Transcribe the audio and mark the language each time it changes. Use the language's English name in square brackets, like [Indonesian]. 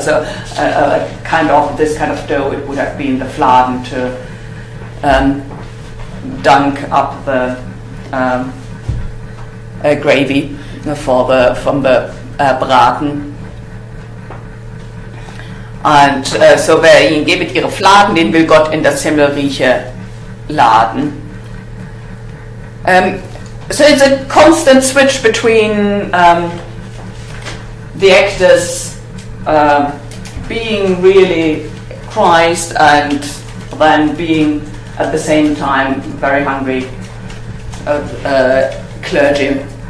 [English] So kind of this kind of dough, it would have been the Fladen to dunk up the gravy for the from the Braten. [German] Und so, wer ihnen gebet ihre Fladen, den will Gott in das Himmelreiche laden. [English] So it's a constant switch between the actors being really Christ and then being at the same time very hungry of clergymen.